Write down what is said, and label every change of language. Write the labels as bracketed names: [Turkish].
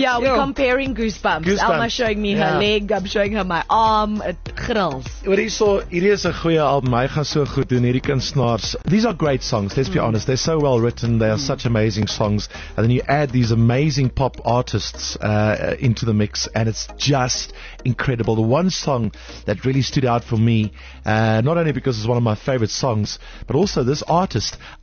[English] Yeah, we're comparing goosebumps. Alma showing me her leg, I'm showing her my arm, it grills. [Afrikaans] Wat is so, hier is 'n goeie album, hy gaan so goed doen, hierdie kunstenaars. [English] These are great songs, let's be honest. They're so well written, they are such amazing songs. And then you add these amazing pop artists into the mix, and it's just incredible. The one song that really stood out for me, not only because it's one of my favorite songs, but also this artist.